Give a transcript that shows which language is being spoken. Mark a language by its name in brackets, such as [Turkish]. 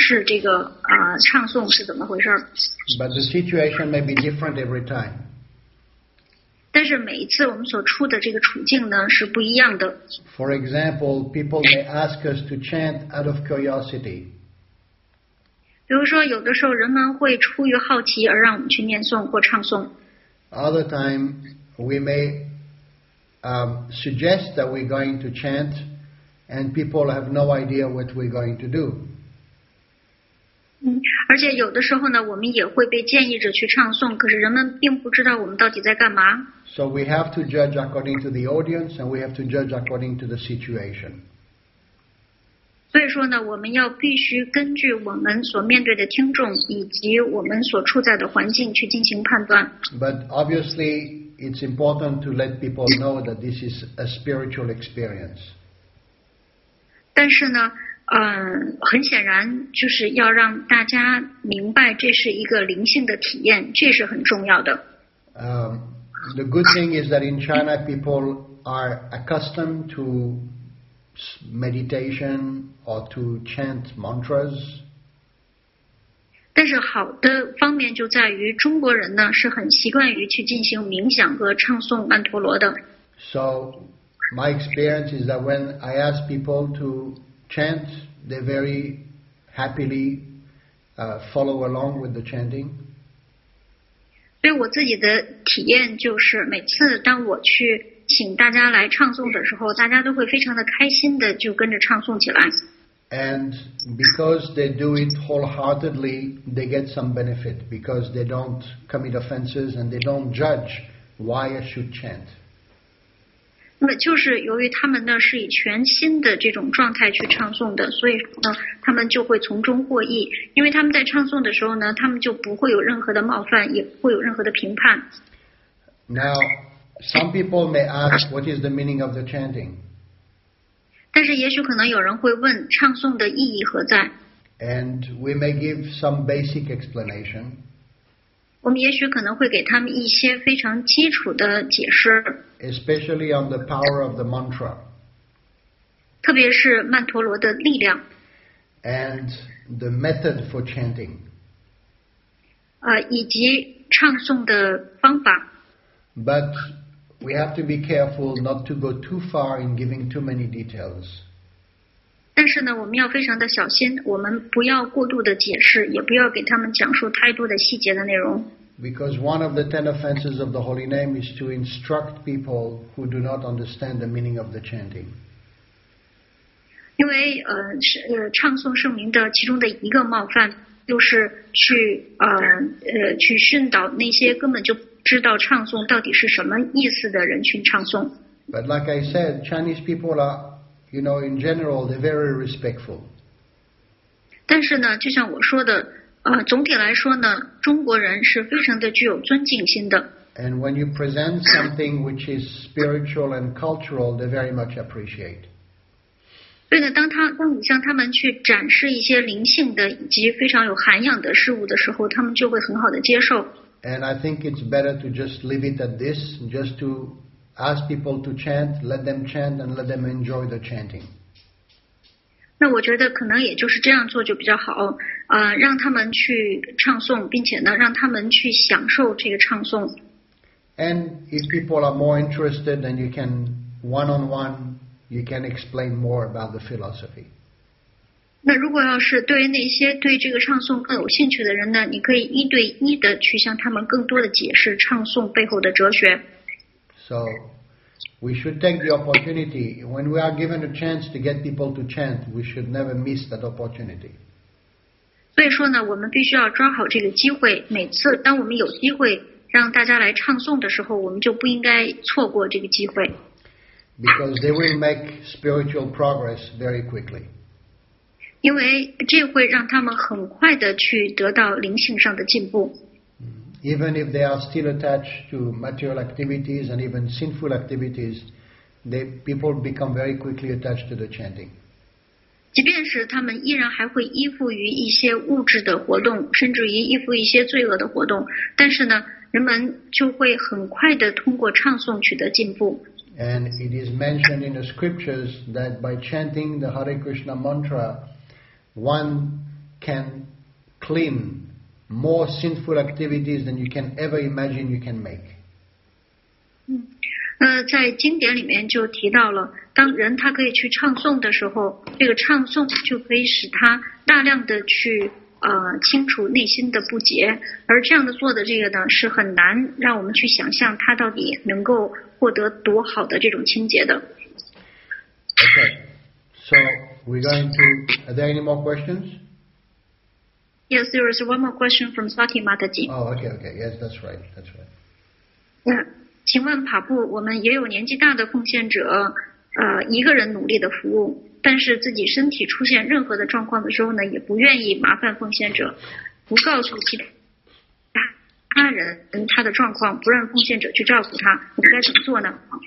[English] But the situation may be different every time. [Chinese] 但是每一次我们所处的这个处境呢是不一样的。 [English] For example, people may ask us to chant out of curiosity. [Chinese] 比如说，有的时候人们会出于好奇而让我们去念诵或唱诵。 [English] Other time, we may suggest that we're going to chant, and people have no idea what we're going to do. [Chinese] 而且有的时候呢，我们也会被建议着去唱诵，可是人们并不知道我们到底在干嘛。 [English] So we have to judge according to the audience, and we have to judge according to the situation. [Chinese] 所以说呢，我们要必须根据我们所面对的听众以及我们所处在的环境去进行判断。 [English] But obviously, it's important to let people know that this is a spiritual experience. [Chinese] 但是呢。很显然就是要让大家明白这是一个灵性的体验，这是很重要的。 [English] The good thing is that in China people are accustomed to meditation or to chant mantras. [Chinese] 但是好的方面就在于中国人呢是很习惯于去进行冥想和唱诵曼陀罗的。 [English] So my experience is that when I ask people to chant,They very happily follow along with the chanting. [Chinese] 对我自己的体验就是，每次当我去请大家来唱诵的时候，大家都会非常的开心的就跟着唱诵起来。 [English] And because they do it wholeheartedly, they get some benefit because they don't commit offenses and they don't judge why I should chant. [Chinese] 那么就是由于他们呢是以全新的这种状态去唱诵的，所以呢他们就会从中获益。因为他们在唱诵的时候呢，他们就不会有任何的冒犯，也不会有任何的评判。 [English] Now, some people may ask, what is the meaning of the chanting? [Chinese] 但是也许可能有人会问，唱诵的意义何在？ [English] And we may give some basic explanation. [Chinese] 我们也许可能会给他们一些非常基础的解释。 [English] Especially on the power of the mantra. [Chinese] 特别是曼陀罗的力量。 [English] and the method for chanting. [Chinese] 以及唱诵的方法。 [English] But we have to be careful not to go too far in giving too many details. [Chinese] 但是呢，我们要非常的小心，我们不要过度的解释，也不要给他们讲述太多的细节的内容。 [English] Because one of the 10 offenses of the Holy Name is to instruct people who do not understand the meaning of the chanting. [Chinese] 因为唱诵圣名的其中的一个冒犯就是去训导那些根本就知道唱诵到底是什么意思的人群唱诵。 [English] But like I said, Chinese people are, you know, in general, they're very respectful. [Chinese] 但是呢，就像我说的，总体来说呢，中国人是非常的具有尊敬心的。 [English] And when you present something which is spiritual and cultural, they very much appreciate. [Chinese] 对的，当你向他们去展示一些灵性的以及非常有涵养的事物的时候，他们就会很好的接受。 [English] And I think it's better to just leave it at this, just to ask people to chant, let them chant, and let them enjoy the chanting. [Chinese] 那我觉得可能也就是这样做就比较好，让他们去唱诵，并且呢，让他们去享受这个唱诵。 [English] And if people are more interested, then you can one-on-one, you can explain more about the philosophy. [Chinese] 那如果要是对于那些对这个唱诵更有兴趣的人呢，你可以一对一的去向他们更多的解释唱诵背后的哲学。 [English] So. We should take the opportunity when we are given a chance to get people to chant. We should never miss that opportunity. [Chinese] 所以说呢，我们必须要抓好这个机会。每次当我们有机会让大家来唱诵的时候，我们就不应该错过这个机会。 [English] Because they will make spiritual progress very quickly. [Chinese] 因为这会让他们很快的去得到灵性上的进步。 [English] Even if they are still attached to material activities and even sinful activities, people become very quickly attached to the chanting. [Chinese] 即便是他们依然还会依附于一些物质的活动，甚至于依附一些罪恶的活动，但是呢，人们就会很快的通过唱诵取得进步。 [English] And it is mentioned in the scriptures that by chanting the Hare Krishna mantra, one can cleanMore sinful activities than you can ever imagine you can make. [Chinese] 在经典里面就提到了，当人他可以去唱诵的时候，这个唱诵就可以使他大量的去清除内心的不洁，而这样的做的这个呢，是很难让我们去想象他到底能够获得多好的这种清洁的。 [English] Okay, so we're going to. Are there any more questions? Yes, there is one more question from Swati Mataji. Oh, okay, okay. Yes, that's right. That's right. Yeah. [Chinese] 请问跑步，我们也有年纪大的奉献者，一个人努力的服务，但是自己身体出现任何的状况的时候呢，也不愿意麻烦奉献者，不告诉其他人他的状况，不让奉献者去照顾他，我们该怎么做呢？